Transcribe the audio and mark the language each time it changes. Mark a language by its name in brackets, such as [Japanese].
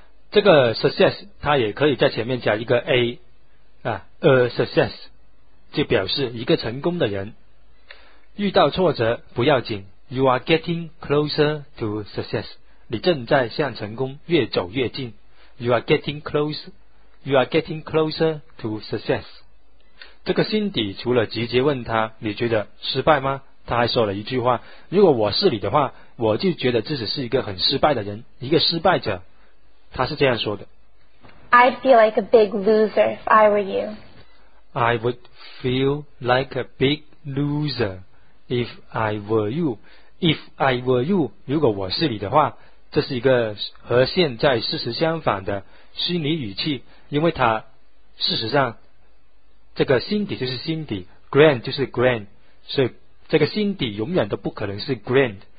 [Chinese] 这个 success 它也可以在前面加一个 A, a success, 就表示一个成功的人。遇到挫折不要紧， [English] You are getting closer to success. [Chinese] 你正在向成功越走越近。 [English] You are getting close, you are getting closer to success. [Chinese] 这个辛迪除了直接问他你觉得失败吗，他还说了一句话，如果我是你的话，我就觉得自己是一个很失败的人，一个失败者。他是这样说的， [English] I'd feel like a big loser if I were you. I would feel like a big loser if I were you. If I were you, [Chinese] 如果我是你的话，这是一个和现在事实相反的虚拟语气，因为他事实上这个 Cindy 就是 Cindy,Grant 就是 Grant, 所以这个 Cindy 永远都不可能是 Grant.